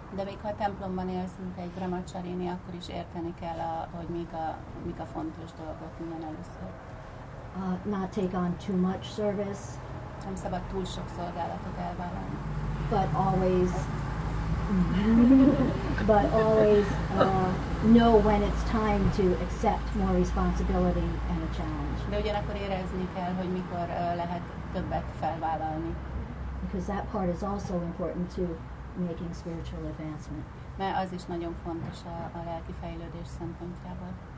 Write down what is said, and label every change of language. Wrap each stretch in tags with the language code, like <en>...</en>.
<hu>De még ha a templomban élsz, mint egy brahmacharini, akkor is érteni kell, hogy mik a fontos dolgok, minden először.</hu> <en>Not take on too much service.</en> <hu>Nem szabad túl sok szolgálatot elvállalni.</hu> <en>But always know when it's time to accept more responsibility and a challenge.</en> <hu>De ugyanakkor érezni kell, hogy mikor lehet többet felvállalni.</hu> <en>Because that part is also important to making spiritual advancement.</en> <hu>Mert az is nagyon fontos a lelki fejlődés szempontjából.</hu>